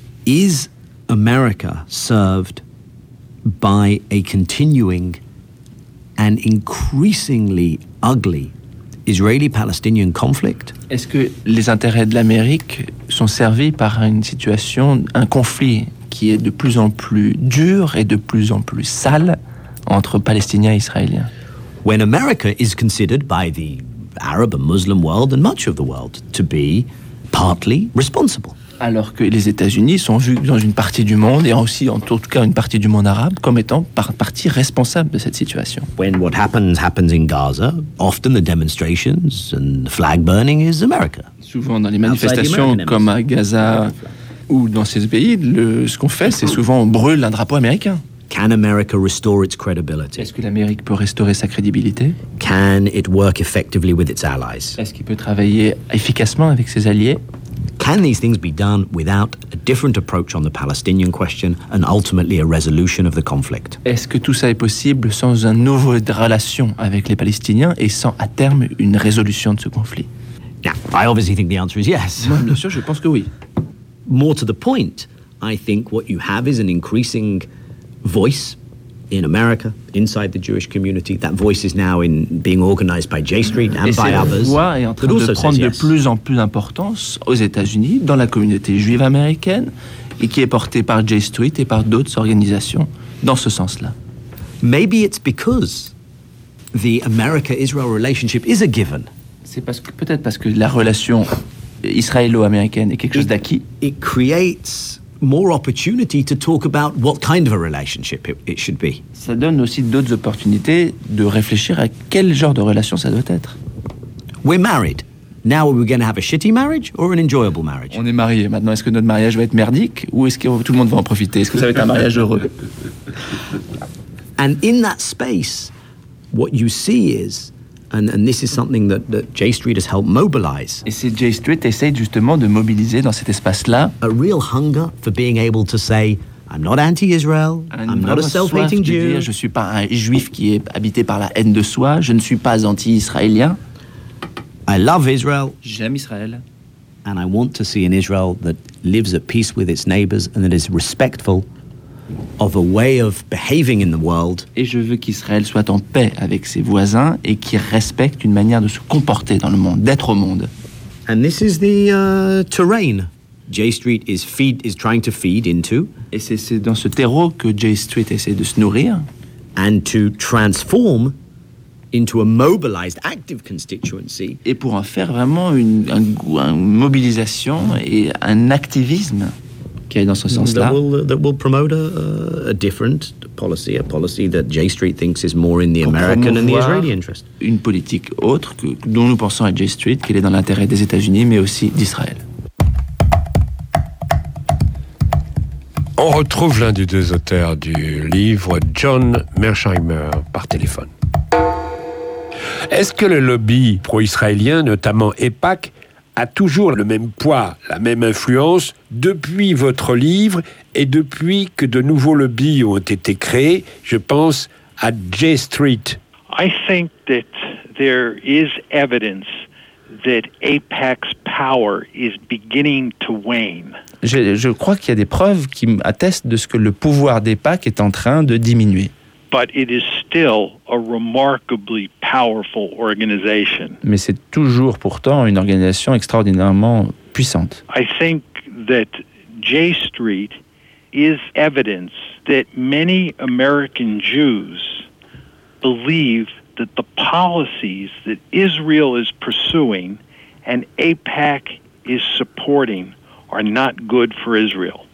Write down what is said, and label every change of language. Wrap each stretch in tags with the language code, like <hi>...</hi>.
<en>Is America served by a continuing and increasingly ugly Israeli-Palestinian conflict?</en> <fr>Est-ce que les intérêts de l'Amérique sont servis par une situation, un conflit qui est de plus en plus dur et de plus en plus sale entre Palestiniens et Israéliens?</fr> <en>When America is considered by the Arab and Muslim world and much of the world to be partly responsible.</en> <fr>Alors que les États-Unis sont vus dans une partie du monde, et aussi en tout cas une partie du monde arabe, comme étant partie responsable de cette situation.</fr> <en>When what happens in Gaza, often the demonstrations and flag burning is America.</en> <fr>Souvent dans les manifestations comme à Gaza ou dans ces pays, ce qu'on fait, c'est souvent on brûle un drapeau américain.</fr> <en>Can America restore its credibility?</en> <fr>Est-ce que l'Amérique peut restaurer sa crédibilité?</fr> <en>Can it work effectively with its allies?</en> <fr>Est-ce qu'il peut travailler efficacement avec ses alliés?</fr> <en>Can these things be done without a different approach on the Palestinian question and ultimately a resolution of the conflict?</en> <fr>Est-ce que tout ça est possible sans une nouvelle relation avec les Palestiniens et sans à terme une résolution de ce conflit?</fr> <en>Now, I obviously think the answer is yes.</en> <fr>Non, bien sûr, je pense que oui.</fr> <en>More to the point, I think what you have is an increasing voice in America, inside the Jewish community, that voice is now in being organized by J Street and by others.</en> <fr>Et cette voix est en train de prendre de plus en plus d'importance aux États-Unis, dans la communauté juive américaine, et qui est portée par J Street et par d'autres organisations dans ce sens-là.</fr> <en>Maybe it's because the America-Israel relationship is a given.</en> <fr>C'est parce que peut-être parce que la relation israélo-américaine est quelque chose d'acquis.</fr> <en>It creates more opportunity to talk about what kind of a relationship it should be.</en> <fr>Ça donne aussi d'autres opportunités de réfléchir à quel genre de relation ça doit être.</fr> <en>We're married. Now are we going to have a shitty marriage or an enjoyable marriage?</en> <fr>On est mariés. Maintenant, est-ce que notre mariage va être merdique ou est-ce que tout le monde va en profiter? Est-ce que ça va être un mariage heureux?</fr> <en>And in that space, what you see is, and this is something that J Street has helped mobilize.</en> <fr>Et c'est J Street essaie justement de mobiliser dans cet espace-là.</fr> <en>A real hunger for being able to say, I'm not anti-Israel, I'm not a self-hating Jew.</en> <fr>Dire, je suis pas un juif qui est habité par la haine de soi, je ne suis pas anti-israélien.</fr> <en>I love Israel.</en> <fr>J'aime Israël.</fr> <en>And I want to see an Israel that lives at peace with its neighbors and that is respectful of a way of behaving in the world.</en> <fr>Et je veux qu'Israël soit en paix avec ses voisins et qu'il respecte une manière de se comporter dans le monde, d'être au monde.</fr> <en>And this is the terrain J Street is trying to feed into.</en> <fr>Et c'est dans ce terreau que J Street essaie de se nourrir.</fr> <en>And to transform into a mobilized active constituency.</en> <fr>Et pour en faire vraiment une mobilisation et un activisme. Dans ce sens-là.</fr> <en>That will promote a different policy, a policy that J Street thinks is more in the American and the Israeli interest.</en> <fr>Une politique autre que dont nous pensons à J Street, qu'elle est dans l'intérêt des États-Unis, mais aussi d'Israël. On retrouve l'un des deux auteurs du livre, John Mersheimer, par téléphone. Est-ce que le lobby pro-israélien, notamment EPAC, a toujours le même poids, la même influence depuis votre livre et depuis que de nouveaux lobbies ont été créés, je pense à J Street.</fr> <en>I think that there is evidence that APAC power is beginning to wane.</en> <fr>Je crois qu'il y a des preuves qui attestent de ce que le pouvoir d'APAC est en train de diminuer.</fr> <en>But it is still a remarkably powerful organization.</en> <fr>Mais c'est toujours pourtant une organisation extraordinairement puissante.</fr> <en>I think that J Street is evidence that many American Jews believe that the policies that Israel is pursuing and APAC is supporting are not good for Israel.</en>